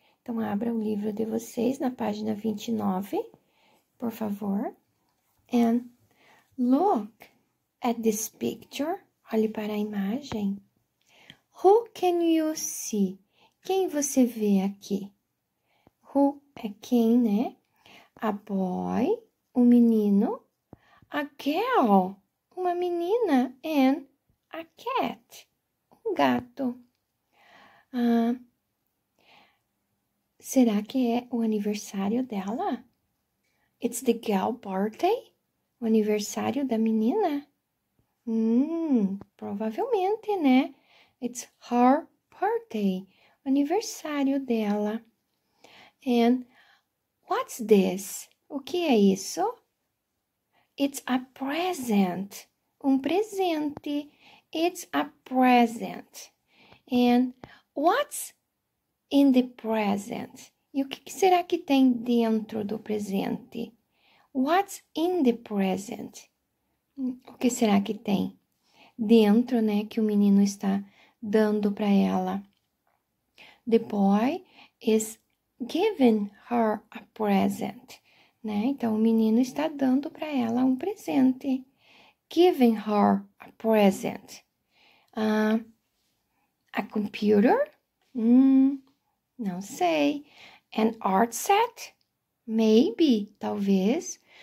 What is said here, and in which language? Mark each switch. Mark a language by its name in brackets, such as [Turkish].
[Portuguese] Então abra o livro de vocês na página 29, por favor. [English] And look at this picture. [Portuguese] Olhe para a imagem. [English] Who can you see? [Portuguese] Quem você vê aqui? Who é quem, né? [English] A boy, [Portuguese] um menino, [English] a girl, [Portuguese] uma menina, [English] and a cat, [Portuguese] um gato. Será que é o aniversário dela? [English] It's the girl birthday, [Portuguese] o aniversário da menina? Provavelmente, né? [English] It's her birthday, [Portuguese] o aniversário dela. [English] And what's this? [Portuguese] O que é isso? [English] It's a present. [Portuguese] Um presente. [English] It's a present. And what's in the present? [Portuguese] E o que será que tem dentro do presente? [English] What's in the present? [Portuguese] O que será que tem dentro, né, que o menino está dando para ela? [English] The boy is given her a present, né? [Portuguese] Então, o menino está dando para ela um presente. [English] Giving her a present. A computer? [Portuguese] Não sei. [English] An art set? Maybe, talvez.